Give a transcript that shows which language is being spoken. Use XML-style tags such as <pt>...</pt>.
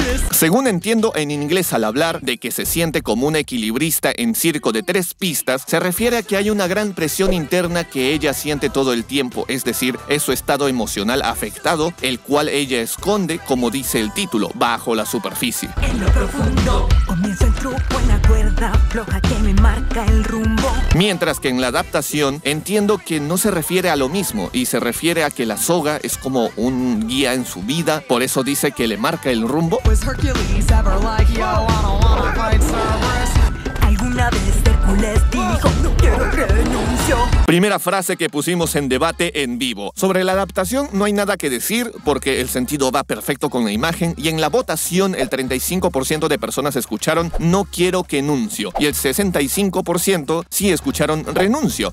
<es>Según entiendo, en inglés al hablar de que se siente como una equilibrista en circo de tres pistas, se refiere a que hay una gran presión interna que ella siente todo el tiempo, es decir, es su estado emocional afectado, el cual ella esconde, como dice el título, bajo la superficie. En lo profundo comienza el truco, en la cuerda floja que me marca el rumbo. Mientras que en la adaptación entiendo que no se refiere a lo mismo y se refiere a que la soga es como un guía en su vida, por eso dice que le marca el rumbo.</es> <en>Was Hercules ever like, yo, I don't wanna fight Cerberus?</en> <es>¿Alguna vez Hercules dijo, no quiero renuncio? Primera frase que pusimos en debate en vivo. Sobre la adaptación no hay nada que decir porque el sentido va perfecto con la imagen, y en la votación el 35% de personas escucharon "no quiero que nuncio" y el 65% sí escucharon "renuncio".</es>